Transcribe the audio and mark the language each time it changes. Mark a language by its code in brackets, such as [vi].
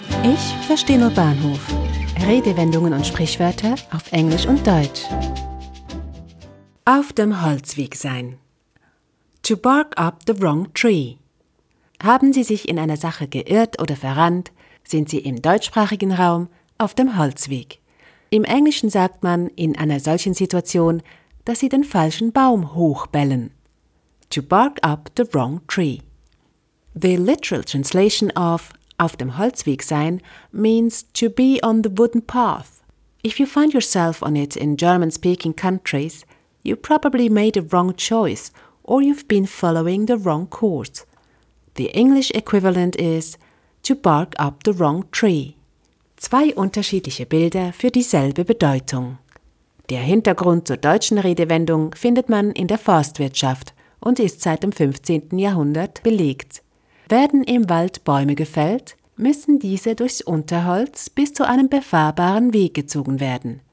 [de] Ich verstehe nur Bahnhof. Redewendungen und Sprichwörter auf Englisch und Deutsch. Auf dem Holzweg sein. [en] To bark up the wrong tree. [de] Haben Sie sich in einer Sache geirrt oder verrannt, sind Sie im deutschsprachigen Raum auf dem Holzweg. Im Englischen sagt man in einer solchen Situation, dass Sie den falschen Baum hochbellen. [en] To bark up the wrong tree. The literal translation of [de] auf dem Holzweg sein [en] means to be on the wooden path. If you find yourself on it in German-speaking countries, you probably made a wrong choice or you've been following the wrong course. The English equivalent is to bark up the wrong tree. [de] Zwei unterschiedliche Bilder für dieselbe Bedeutung. Der Hintergrund zur deutschen Redewendung findet man in der Forstwirtschaft und ist seit dem 15. Jahrhundert belegt. Werden im Wald Bäume gefällt, müssen diese durchs Unterholz bis zu einem befahrbaren Weg gezogen werden.